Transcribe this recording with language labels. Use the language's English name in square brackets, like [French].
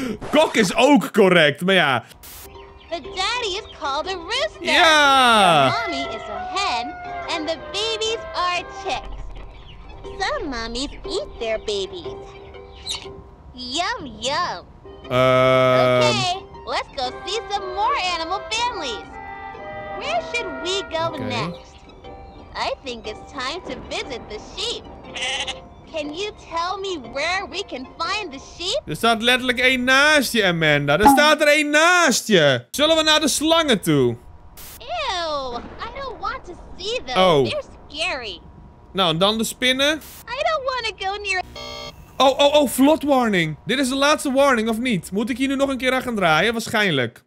[Dutch] Kok is ook correct, maar ja... [English] The daddy is called a rooster. Yeah. The mommy is a hen, and the babies are chicks. Some mommies eat their babies. Yum, yum. Okay, let's go see some more animal families. Where should we go next? I think it's time to visit the sheep. Can you tell me where we can find the sheep? [Dutch] Er staat letterlijk één naast je, Amanda. Er staat er één naast je. Zullen we naar de slangen toe? [English] Ew, I don't want to see them. Oh. They're scary. [Dutch] Nou, en dan de spinnen. [English] I don't want to go near... [Dutch] Oh, vlot warning. Dit is de laatste warning, of niet? Moet ik hier nu nog een keer aan gaan draaien? Waarschijnlijk.